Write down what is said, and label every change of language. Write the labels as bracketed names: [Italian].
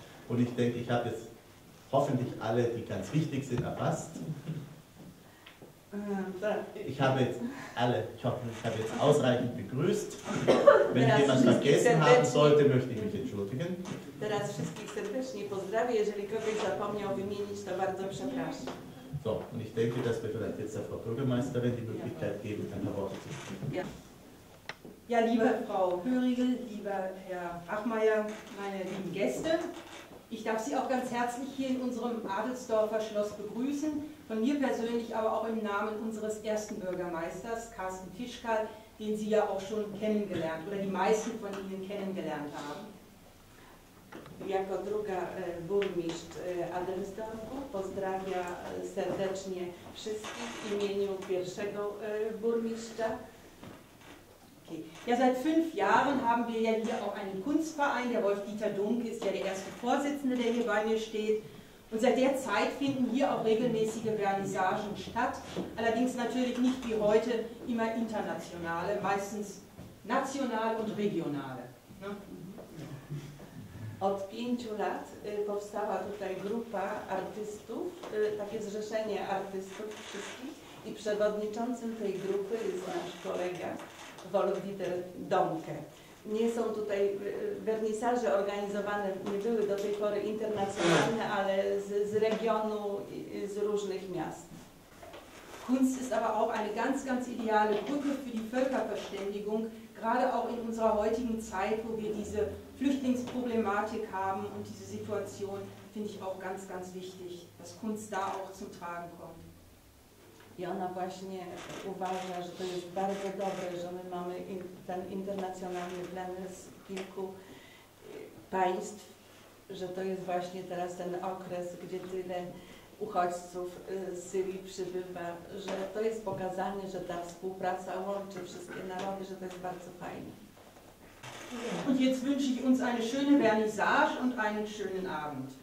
[German] und ich denke, ich habe jetzt hoffentlich alle, die ganz wichtig sind, erfasst. Ich hoffe, ich habe jetzt ausreichend begrüßt. Wenn ich jemanden vergessen haben sollte, möchte ich mich entschuldigen. [Polish] Teraz wszystkich serdecznie pozdrawię. Jeżeli kogoś zapomniał wymienić, to bardzo przepraszam. [German] So, und ich denke, dass wir vielleicht jetzt der Frau Bürgermeisterin die Möglichkeit geben, ein paar Worte zu sprechen. Ja, liebe Frau Höhriegel, lieber Herr Bachmeier, meine lieben Gäste. Ich darf Sie auch ganz herzlich hier in unserem Adelsdorfer Schloss begrüßen. Von mir persönlich, aber auch im Namen unseres ersten Bürgermeisters, Carsten Fischkal, den Sie ja auch schon kennengelernt oder die meisten von Ihnen kennengelernt haben. [Polish] Jako druga burmistrz Adelsdorfu pozdrawia serdecznie wszystkich w imieniu pierwszego burmistrza. [German] Ja, seit 5 Jahren haben wir ja hier auch einen Kunstverein. Der Wolf-Dieter Dunke ist ja der erste Vorsitzende, der hier bei mir steht. Und seit der Zeit finden hier auch regelmäßige Vernissagen statt. Allerdings natürlich nicht wie heute immer internationale, meistens national und regionale. [Polish] Od 5 lat powstała tutaj grupa artystów, takie zrzeszenie artystów wszystkich. I przewodniczącym tej grupy jest nasz kolega Wolwider Domke. Nie są tutaj wernisaże organizowane, nie były do tej pory internacjonalne, ale z regionu, z różnych miast. [German] Kunst ist aber auch eine ganz, ganz ideale Brücke für die Völkerverständigung, gerade auch in unserer heutigen Zeit, wo wir diese Flüchtlingsproblematik haben und diese Situation, finde ich auch ganz, ganz wichtig, dass Kunst da auch zum Tragen kommt. [Polish] I ona właśnie uważa, że to jest bardzo dobre, że my mamy ten internacjonalny plan z kilku państw, że to jest właśnie teraz ten okres, gdzie tyle uchodźców z Syrii przybywa, że to jest pokazanie, że ta współpraca łączy wszystkie narody, że to jest bardzo fajne. [German] Und jetzt wünsche ich uns eine schöne Vernissage und einen schönen Abend.